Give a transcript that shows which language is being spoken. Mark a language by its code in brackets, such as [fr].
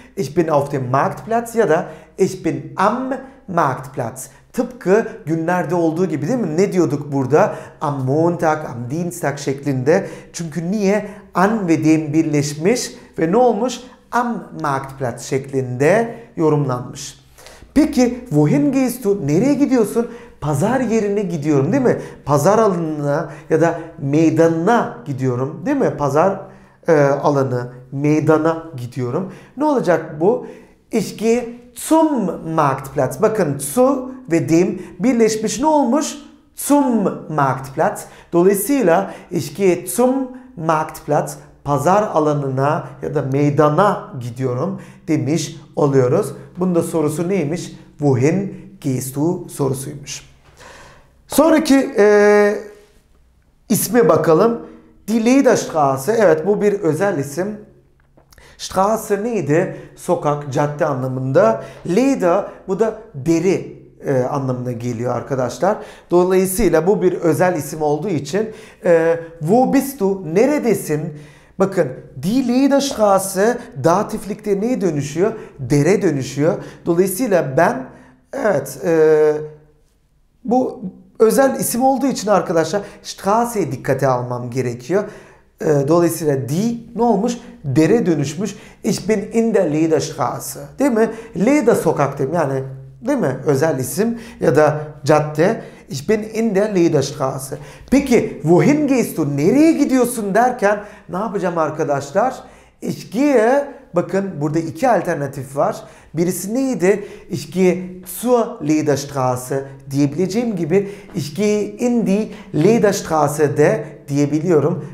[de] Ich bin auf dem Marktplatz [tr] ya da [de] ich bin am Marktplatz. [tr] Tıpkı günlerde olduğu gibi değil mi? Ne diyorduk burada? [de] Am Montag, am Dienstag [tr] şeklinde. Çünkü niye? An ve dem birleşmiş ve ne olmuş? Am Marktplatz şeklinde yorumlanmış. Peki, [de] wohin gehst du? [tr] Nereye gidiyorsun? Pazar yerine gidiyorum değil mi? Pazar alanına ya da meydanına gidiyorum değil mi? Pazar alanı, meydana gidiyorum. Ne olacak bu? [de] Ich gehe zum Marktplatz. [tr] Bakın zu ve dem birleşmiş ne olmuş? [de] Zum Marktplatz. [tr] Dolayısıyla [de] ich gehe zum Marktplatz. [tr] Pazar alanına ya da meydana gidiyorum demiş oluyoruz. Bunun da sorusu neymiş? [de] Wohin gehst du [tr] sorusuymuş. Sonraki isme bakalım. Die Lederstraße. Evet bu bir özel isim. Straße neydi? Sokak, cadde anlamında. Leder bu da deri anlamına geliyor arkadaşlar. Dolayısıyla bu bir özel isim olduğu için [de] wo bist du? [tr] Neredesin? Bakın die Lederstraße datiflikte neye dönüşüyor? Dere dönüşüyor. Dolayısıyla ben evet bu özel isim olduğu için arkadaşlar Straße'ye dikkate almam gerekiyor. Dolayısıyla die ne olmuş? Dere dönüşmüş. [de] Ich bin in der Lederstraße. [tr] Değil mi? Leder sokak demek. Yani değil mi? Özel isim ya da cadde. [de] Ich bin in der Lederstraße. [tr] Peki [de] wohin gehst du? [tr] Nereye gidiyorsun derken ne yapacağım arkadaşlar? [de] Ich gehe. [tr] Bakın burada iki alternatif var. Birisi neydi? [de] Ich gehe zur Lederstraße [tr] diyebileceğim gibi [de] ich gehe in die Lederstraße [tr] de diyebiliyorum.